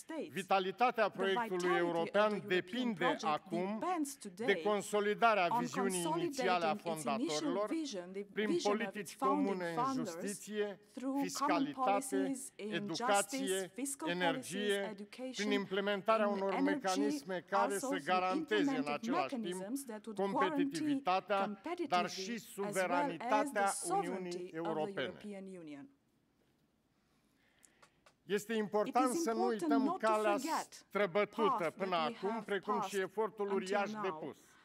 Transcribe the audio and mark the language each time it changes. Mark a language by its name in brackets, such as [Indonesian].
[Romanian] vitalitatea proiectului european depinde acum de consolidarea viziunii inițiale a fondatorilor prin politici comune în justiție, fiscalitate, educație, energie, prin implementarea unor mecanisme care să garanteze în același timp competitivitatea, dar și suveranitatea. [English] As well as the sovereignty of the European Union. [Romanian] Este important să nu uităm calea străbătută până acum, precum și efortul uriaș depus.